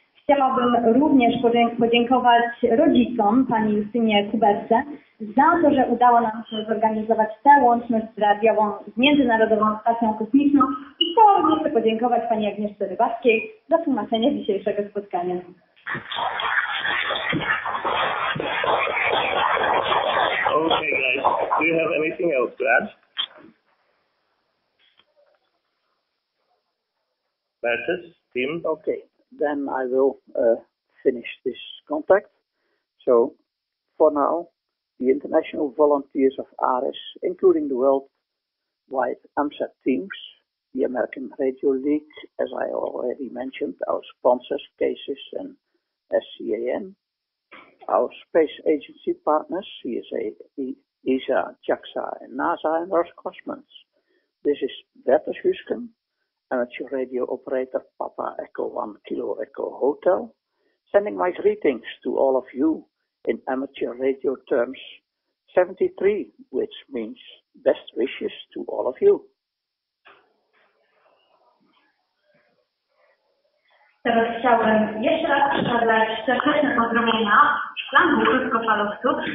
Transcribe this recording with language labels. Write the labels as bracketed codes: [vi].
[pl] Chciałabym również podziękować rodzicom, pani Justynie Kubersce, za to, że udało nam się zorganizować tę łączność radiową z Międzynarodową Stacją Kosmiczną i chciałabym jeszcze podziękować pani Agnieszce Rybackiej za tłumaczenie dzisiejszego spotkania. [en] Okay guys, do you have anything else to add? Bertus, team? Okay, then I will finish this contact. So, for now, the international volunteers of ARISS, including the worldwide AMSAT teams, the American Radio League, as I already mentioned, our sponsors, CASIS and SCAN, our space agency partners, CSA, ESA, JAXA, and NASA, and Roscosmos. This is Bertus Huisken, amateur radio operator, Papa Echo 1 Kilo Echo Hotel, sending my greetings to all of you in amateur radio terms, 73, which means best wishes to all of you. [pl] Teraz chciałbym jeszcze raz przekazać serdeczne pozdrowienia w szklanku krótkofalowców.